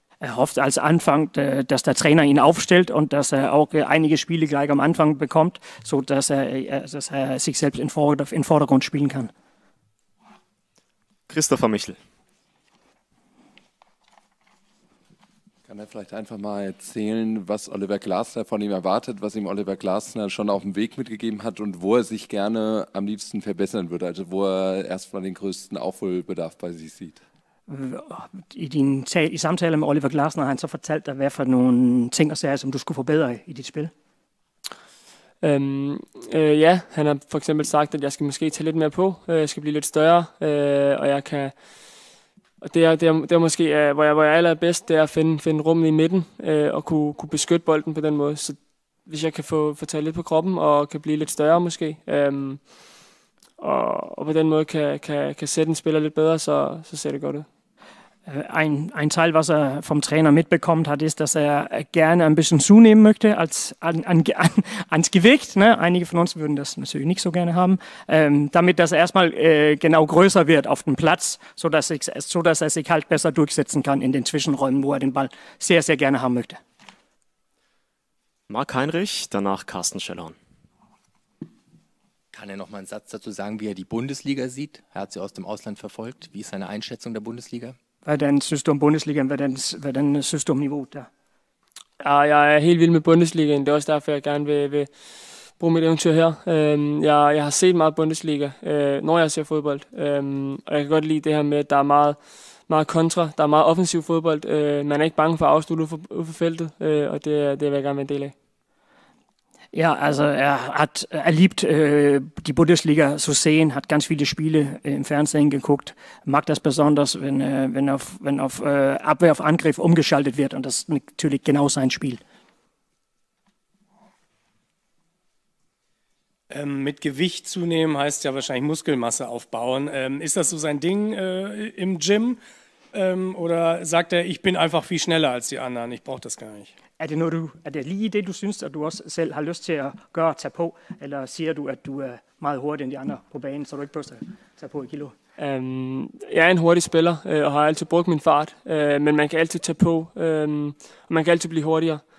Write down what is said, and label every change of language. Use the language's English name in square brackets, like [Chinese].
[German] Er hofft als Anfang, dass der Trainer ihn aufstellt und dass er auch einige Spiele gleich am Anfang bekommt, sodass er sich selbst in Vordergrund spielen kann. Christopher Michel. Kann er vielleicht einfach mal erzählen, was Oliver Glasner von ihm erwartet, was ihm Oliver Glasner schon auf dem Weg mitgegeben hat und wo er sich gerne am liebsten verbessern würde, also wo er erstmal den größten Aufholbedarf bei sich sieht? [Danish] I samtale med Oliver Glasner har han så fortalt dig, hvad for nogle ting og sager, som du skulle forbedre i dit spil? Ja, han har for eksempel sagt, at jeg skal måske tage lidt mere på, jeg skal blive lidt større, og jeg kan. Og det er måske, hvor jeg allerbedst, det er at finde rummet i midten og kunne beskytte bolden på den måde. Så hvis jeg kan få taget lidt på kroppen og kan blive lidt større måske. Og på den måde kan sætte en spiller lidt bedre, så ser det godt ud. [German] Ein Teil, was er vom Trainer mitbekommen hat, ist, dass er gerne ein bisschen zunehmen möchte als ans Gewicht. Ne? Einige von uns würden das natürlich nicht so gerne haben. Damit, dass er erstmal genau größer wird auf dem Platz, sodass er sich halt besser durchsetzen kann in den Zwischenräumen, wo er den Ball sehr, sehr gerne haben möchte. Marc Heinrich, danach Carsten Schellhorn. Kann er noch mal einen Satz dazu sagen, wie er die Bundesliga sieht? Er hat sie aus dem Ausland verfolgt. Wie ist seine Einschätzung der Bundesliga? [Danish] Hvad er den system Bundesliga? Hvad er den systemniveau der? Ja, jeg er helt vild med Bundesliga. Det er også derfor, jeg gerne vil bruge mit eventyr her. Jeg har set meget Bundesliga, når jeg ser fodbold. Og jeg kan godt lide det her med, at der er meget, meget kontra. Der er meget offensiv fodbold. Man er ikke bange for at afslutte ud for feltet. Og det vil jeg gerne være en del af. [German] Ja, also er liebt die Bundesliga zu sehen, hat ganz viele Spiele im Fernsehen geguckt, mag das besonders, wenn auf Abwehr auf Angriff umgeschaltet wird und das ist natürlich genau sein Spiel. Mit Gewicht zunehmen heißt ja wahrscheinlich Muskelmasse aufbauen. Ist das so sein Ding im Gym oder sagt er, ich bin einfach viel schneller als die anderen, ich brauche das gar nicht? [Danish] Er det noget, er det lige det, du synes, at du også selv har lyst til at gøre og tage på? Eller siger du, at du er meget hurtigere end de andre på banen, så du ikke prøver at tage på i kilo? Jeg er en hurtig spiller og har altid brugt min fart, men man kan altid tage på, og man kan altid blive hurtigere.